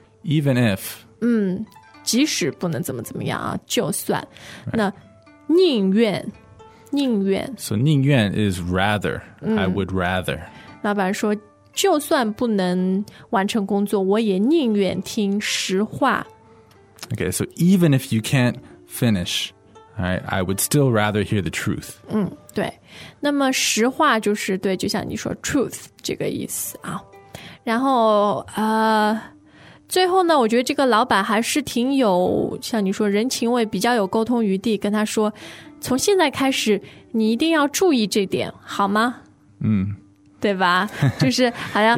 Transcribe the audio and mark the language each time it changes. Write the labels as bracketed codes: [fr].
[en] even if [zh] 即使不能怎么怎么样啊就算那宁愿 [en] so 宁愿 is rather I would rather [zh] 老板说就算不能完成工作我也宁愿听实话 [en] okay so even if you can't finish I would still rather hear the truth [zh] 对那么实话就是对就像你说 truth 这个意思啊然后最后呢我觉得这个老板还是挺有像你说人情味比较有沟通余地跟他说从现在开始你一定要注意这点好吗对吧就是好像